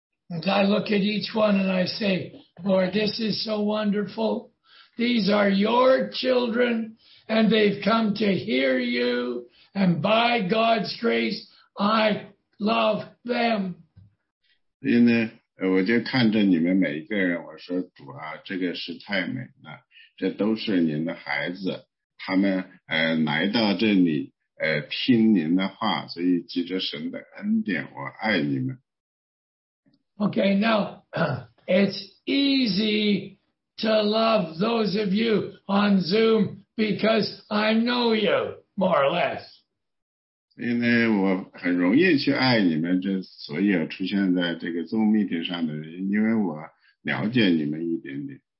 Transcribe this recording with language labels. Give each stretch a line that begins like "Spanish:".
English: And I look at each one and I say, Lord, this is so wonderful. These are your children and they've come to hear you. And by God's grace, I love them.
Chinese: 所以呢，我就看着你们每一个人，我说主啊，这个是太美了。这都是您的孩子，他们来到这里听您的话，所以藉着神的恩典，我爱你们。
English: Okay, now, It's easy to love those of you on Zoom because I know you, more or less.
Chinese: 所以呢，我很容易去爱你们，就所有出现在这个Zoom meeting上的人，因为我了解你们一点点。